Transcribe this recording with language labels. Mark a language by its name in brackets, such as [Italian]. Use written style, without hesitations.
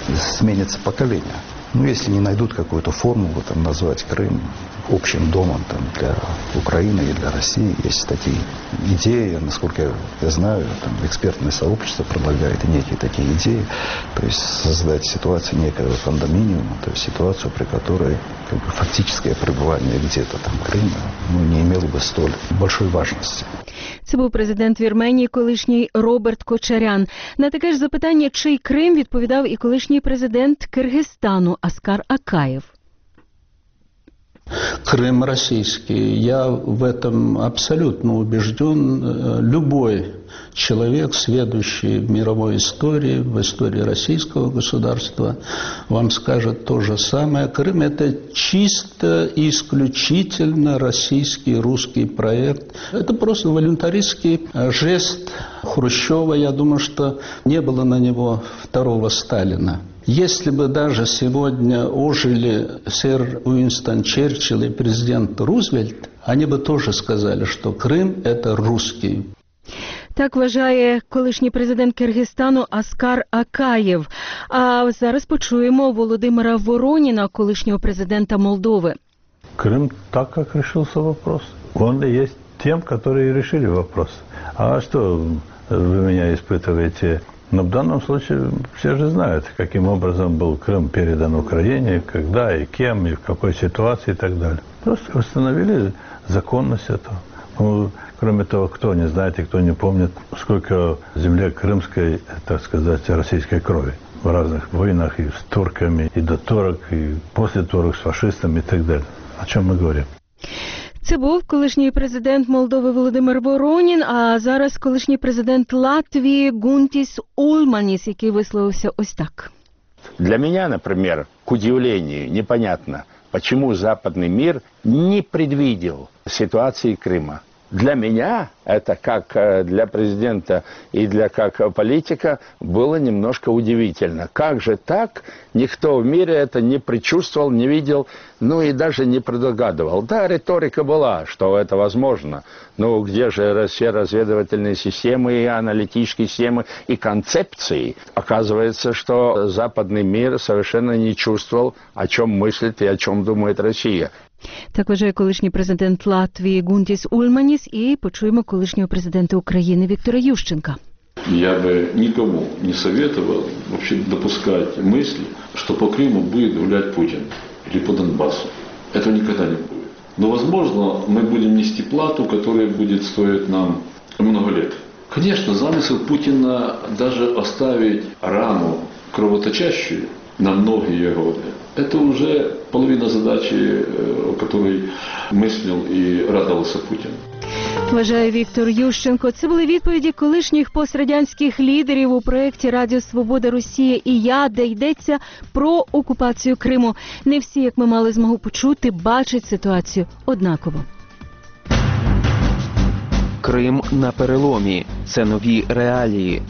[Russian] Сменится поколение. Ну, если не найдут какую-то формулу там, назвать Крым общим домом там, для Украины и для России, есть такие идеи, насколько я знаю, там, экспертное сообщество предлагает некие такие идеи, то есть создать ситуацию некого кондоминиума, то есть ситуацию, при которой как бы, фактическое пребывание где-то там Крыма не имело бы столь большой важности. [Ukrainian] Це був президент Вірменії, колишній Роберт Кочарян. На таке ж запитання, чий Крим, відповідав і колишній президент Киргизстану Аскар Акаєв. [Russian] Крым российский. Я в этом абсолютно убежден. Любой человек, сведущий в мировой истории, в истории российского государства, вам скажет то же самое. Крым – это чисто и исключительно российский, русский проект. Это просто волюнтаристский жест Хрущева. Я думаю, что не было на него второго Сталина. Если бы даже сегодня ожили сэр Уинстон Черчилль и президент Рузвельт, они бы тоже сказали, что Крым – это русский. [Ukrainian] Так вважає колишній президент Киргизстану Аскар Акаєв. А зараз почуємо Володимира Вороніна, колишнього президента Молдови. [Russian] Крым так, как решился вопрос. Он и есть тем, которые решили вопрос. А что вы меня испытываете? Но в данном случае все же знают, каким образом был Крым передан Украине, когда и кем, и в какой ситуации и так далее. Просто установили законность этого. Ну, кроме того, кто не знает и кто не помнит, сколько земле крымской, так сказать, российской крови. в разных войнах и с турками, и до турок, и после турок с фашистами и так далее. О чем мы говорим? [Ukrainian] Це був колишній президент Молдови Володимир Воронін, а зараз колишній президент Латвії Гунтіс Ульманіс, який висловився ось так. Для мене, наприклад, [Russian] к удивленню, непонятно, почему западний мир не предвидел ситуації Криму. Для меня это, как для президента и для как политика, было немножко удивительно. Как же так? Никто в мире это не предчувствовал, не видел, ну и даже не предугадывал. Да, риторика была, что это возможно. Но где же все разведывательные системы и аналитические системы и концепции? Оказывается, что западный мир совершенно не чувствовал, о чем мыслит и о чем думает Россия. [Ukrainian] Так вважає колишній президент Латвії Гунтіс Ульманіс, і почуємо колишнього президента України Віктора Ющенка. Я би нікому не советував [Russian] вообще [Ukrainian] допускати мислі, що по Криму буде гуляти Путін або по Донбасу. Цього ніколи не буде. [Russian] Но возможно, [Ukrainian] ми будемо нести плату, яка буде стоїти нам [Russian] много лет. [Ukrainian] Звісно, [Russian] замисел Путіна даже оставить рану кровоточащую на многие годы. Это уже половина задачи, о которой мислил и радовался Путин. [Ukrainian] Вважає Віктор Ющенко. Це були відповіді колишніх пострадянських лідерів у проєкті «Радіо Свобода Росія і я», де йдеться про окупацію Криму. Не всі, як ми мали змогу почути, бачать ситуацію однаково. Крим на переломі. Це нові реалії.